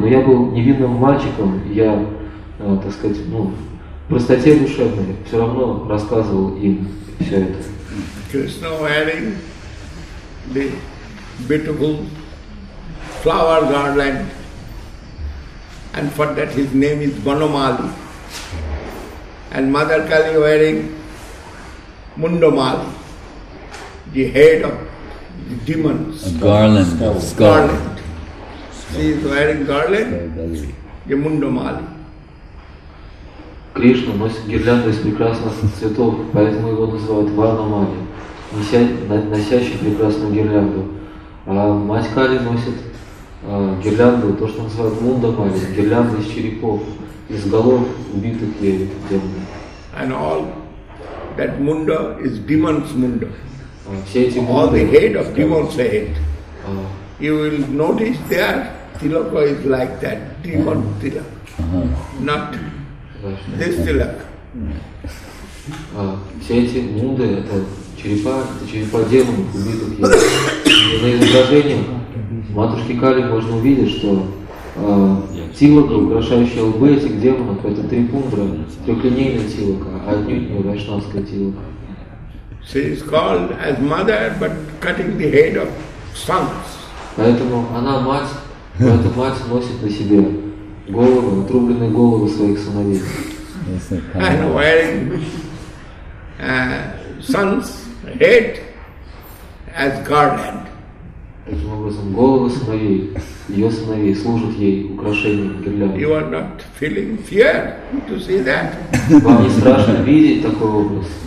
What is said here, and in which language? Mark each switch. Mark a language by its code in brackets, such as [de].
[ru] Но я был невинным мальчиком, я, так сказать, ну, в простоте душевной все равно рассказывал им все это. [en] Krishna wearing the beautiful flower garland, and for that his name is Banomali, and Mother Kali wearing Mundomali, the head of the demons. A garland. Garland. She is wearing garland, the Mundomali. Krishna wears [ru] гирлянду из прекрасных цветов, поэтому его называют Банамали, носящий прекрасную гирлянду. А Мать Кали носит гирлянду, то, что называют Мунда Мали, гирлянду из черепов, из голов убитых ей демонов. [en] And all that Munda is demon's Munda. [ru] Все эти Мунды. [en] All the head of demon's head. You will notice there Tilaka is like that, demon Tilaka. Not this Tilaka. [ru] Все эти Мунды – это черепа, это черепа демонов, убитых ей. На изображениях Матушки Кали можно увидеть, что тилака, украшающая лбы этих демонов, это трипундра, трехлинейная тилака, а отнюдь не вайшнавская тилака. [en] She is called as mother, but cutting the head of sons. [ru] Поэтому она мать, но эта мать носит на себе голову, отрубленные головы своих сыновей. [en] And wearing sons head as garland. [ru] таким образом головы сыновей, ее сыновей служат ей украшением, гирляндой. [en] You are not feeling fear to see that. [ru] Вам не страшно видеть такой образ?